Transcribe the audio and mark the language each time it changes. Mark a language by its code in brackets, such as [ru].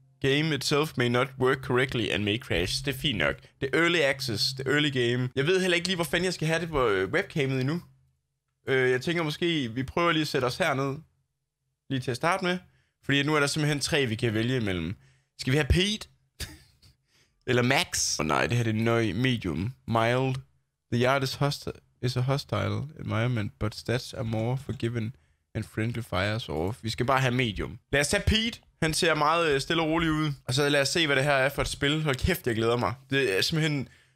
[en] game itself may not work correctly and may crash. [da] Det er fint nok. Det er early access. Det er early game. Jeg ved heller ikke lige, hvor fanden jeg skal have det på webcamet endnu. Jeg tænker måske, vi prøver lige at sætte os herned. Lige til at starte med. Fordi nu er der simpelthen tre, vi kan vælge imellem. Skal vi have Pete? Eller Max? Nej, det her er nøj medium. Mild. [en] The yard is a hostile environment, but stats are more forgiven and friendly fires off. [da] Vi skal bare have medium. Lad os tage Pete. Han ser meget stille og rolig ud. Og så lad os se, hvad det her er for et spil. Hold kæft, jeg glæder mig. Det er simpelthen...